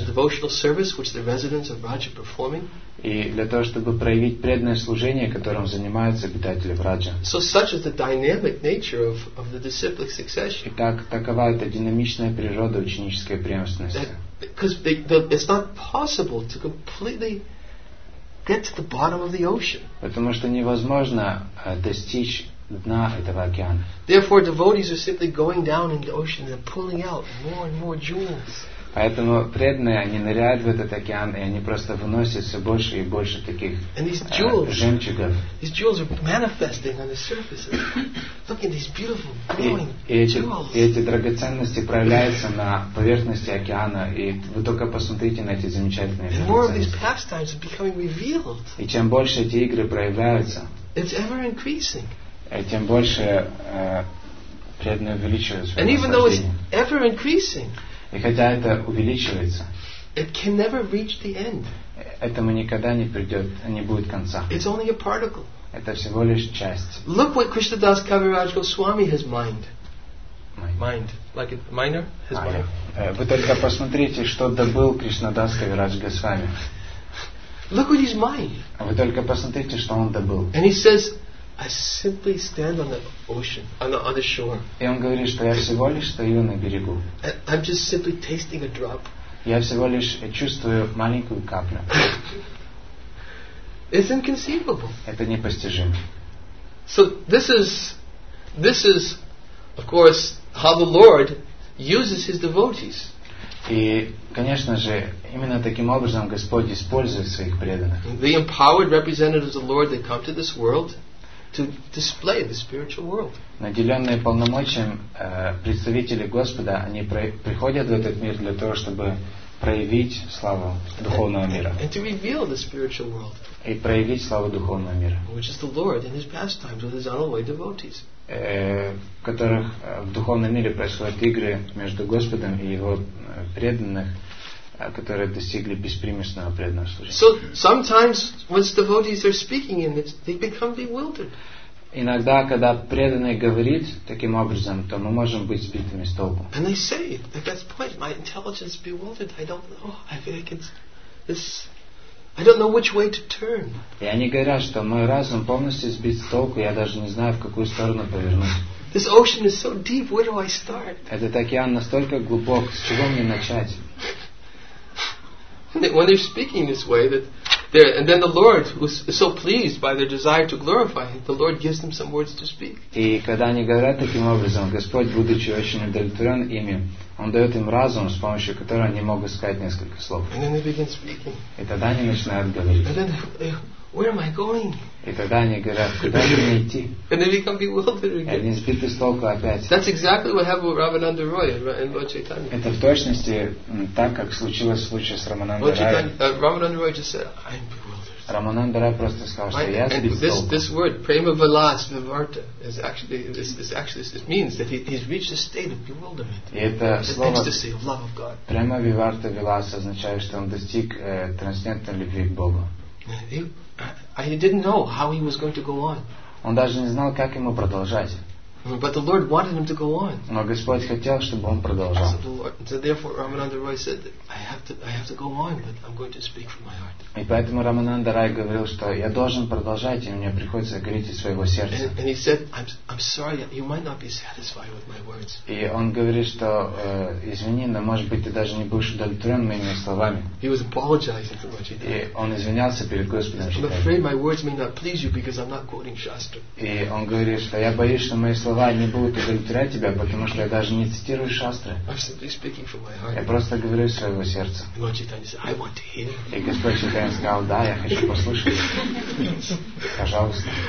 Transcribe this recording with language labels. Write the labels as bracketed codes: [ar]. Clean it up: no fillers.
[en] And the devotional service which the residents of Raj are performing. [ru] И для того, чтобы проявить преданное служение, которым занимаются обитатели Враджа. [en] So such is the dynamic nature of the disciplic succession. [ru] Итак, такова эта динамичная природа ученической преемственности. [en] Because it's not possible to completely get to the bottom of the ocean. [ru] Потому что невозможно достичь дна этого океана. [en] Therefore, devotees are simply going down in the ocean and pulling out more and more jewels. [ru] Поэтому преданные они ныряют в этот океан и они просто выносят все больше и больше таких жемчугов. [en] These jewels are manifesting on the surface. Look at these beautiful glowing jewels. [ru] И эти драгоценности проявляются на поверхности океана и вы только посмотрите на эти замечательные. [en] And more of these pastimes are becoming revealed. [ru] И чем больше эти игры проявляются. [en] It's ever increasing. [ru] И тем больше преданные увеличивают свое наслаждение. [en] And even though it's ever increasing, [ru] и хотя это увеличивается, [en] it can never reach the end. [ru] Этому никогда не придет, не будет конца. [en] It's only a particle. [ru] Это всего лишь часть. [en] Look what Krishnadas Kaviraj Goswami has mind. Mind. Like a miner? His mind. [ru] Вы только посмотрите, что добыл Кришнадас Кавирадж Госвами. [en] Look what he's mind. [ru] Вы только посмотрите, что он добыл. [en] And he says, I simply stand on the ocean, on the shore. [ru] И он говорит, что я всего лишь стою на берегу. [en] I'm just simply tasting a drop. [ru] Я всего лишь чувствую маленькую каплю. [en] It's inconceivable. [ru] Это непостижимо. [en] So this is of course, how the Lord uses his devotees. [ru] И, конечно же, именно таким образом Господь использует своих преданных. [en] The empowered representatives of the Lord that come to this world to display the spiritual world. [ru] Наделенные полномочиями представители Господа, они приходят в этот мир для того, чтобы проявить славу духовного мира. [en] And to reveal the spiritual world. [ru] И проявить славу духовного мира. [en] Which is the Lord in his pastimes with his unalloyed devotees. [ru] В которых в духовном мире происходят игры между Господом и его преданных, которые достигли беспримесного преданного служения. [en] So sometimes when devotees are speaking in it, they become bewildered. [ru] Иногда, когда преданный говорит таким образом, то мы можем быть сбитыми с толку. [en] And they say at that point, my intelligence is bewildered. I don't know. I think it's this. I don't know which way to turn. [ru] И они говорят, что мой разум полностью сбит с толку. Я даже не знаю, в какую сторону повернуть. [en] This ocean is so deep. Where do I start? [ru] Этот океан настолько глубок. С чего мне начать? [en] When they're speaking this way, that and then the Lord was so pleased by their desire to glorify him, the Lord gives them some words to speak. [ru] И когда они говорят таким образом, Господь, будучи очень удовлетворен ими, он дает им разум, с помощью которого они могут сказать несколько слов. [en] And then they begin speaking. [ru] И тогда они начинают говорить. [en] And then, where am I going? [ru] И тогда они говорят, куда мне идти? [en] And they become bewildered again. [ru] И они сбиты с толку опять. [en] That's exactly what happened with Рамананда Рой and Lord Chaitanya. [ru] Это в точности так, как случилось в случае с Рамананда Рой. [en] Рамананда Рой just said, I'm bewildered. [ru] Рамананда Рой просто сказал, что я сбит с толку. [en] This word, prema vilas vivarta, is actually this means that he's reached a state of bewilderment. [ru] И это слово [en] ecstasy of love of God. [ru] Prema vivarta vilas означает, что он достиг трансцендентной любви к Богу. [en] He didn't know how he was going to go on. [ru] Он даже не знал, как ему продолжать. [en] But the Lord wanted him to go on. [ru] Но Господь хотел, чтобы он продолжал. [en] So therefore, Рамананда Рой said, I have to go on, but I'm going to speak from my heart. [ru] И поэтому Рамананда Рой говорил, что я должен продолжать, и мне приходится говорить из своего сердца. [en] And he said, I'm sorry, you might not be satisfied with my words. [ru] И он говорит, что извини, но может быть ты даже не будешь удовлетворен моими словами. [en] He was apologizing to Lord Chaitanya. [ru] И он извинялся перед Господом. [en] I'm afraid my words may not please you because I'm not quoting Shastra. [ru] И он говорит, что я боюсь, что мои слова не будут удовлетворять тебя, потому что я даже не цитирую Шастры. Я просто говорю из своего сердца. И Господь Читайн сказал, да, я хочу послушать. Пожалуйста.